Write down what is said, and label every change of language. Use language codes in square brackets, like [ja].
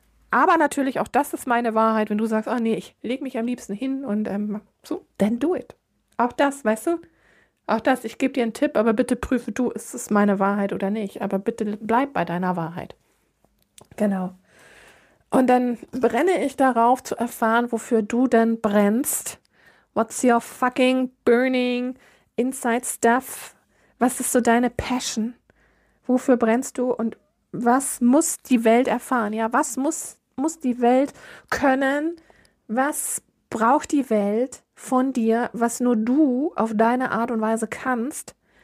[de] Aber natürlich auch das ist meine Wahrheit, wenn du sagst, ach nee, ich lege mich am liebsten hin und so, [en] then do it. [de] Auch das, weißt du? Auch das, ich gebe dir einen Tipp, aber bitte prüfe du, ist es meine Wahrheit oder nicht. Aber bitte bleib bei deiner Wahrheit. Genau. Und dann brenne ich darauf, zu erfahren, wofür du denn brennst. [en] What's your fucking burning inside stuff? [de] Was ist so deine Passion? Wofür brennst du und was muss die Welt erfahren? Ja, was muss die Welt können? Was braucht die Welt von dir, was nur du auf deine Art und Weise kannst?